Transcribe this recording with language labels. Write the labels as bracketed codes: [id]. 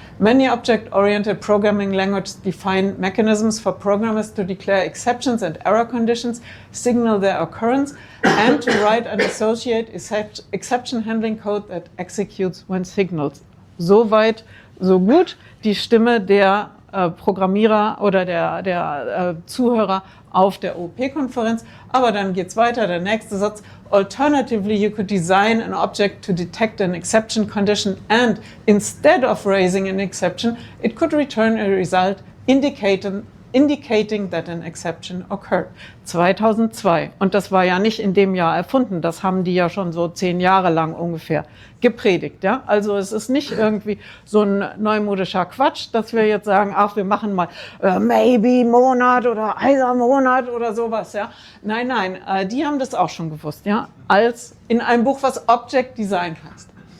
[en] Many object-oriented programming languages define mechanisms for programmers to declare exceptions and error conditions, signal their occurrence, and to write and associate exception handling code that executes when signaled. [de] Soweit, so gut. Die Stimme der Programmierer oder der Zuhörer auf der OOP-Konferenz. Aber dann geht's weiter, der nächste Satz. [en] Alternatively, you could design an object to detect an exception condition and instead of raising an exception, it could return a result indicating that an exception occurred. [de] 2002. Und das war ja nicht in dem Jahr erfunden. Das haben die ja schon so 10 Jahre lang ungefähr gepredigt. Ja? Also es ist nicht irgendwie so ein neumodischer Quatsch, dass wir jetzt sagen, ach, wir machen mal maybe Monat oder Eiser Monat oder sowas. Ja? Nein, nein, die haben das auch schon gewusst. Ja? Als in einem Buch, was Object Design heißt.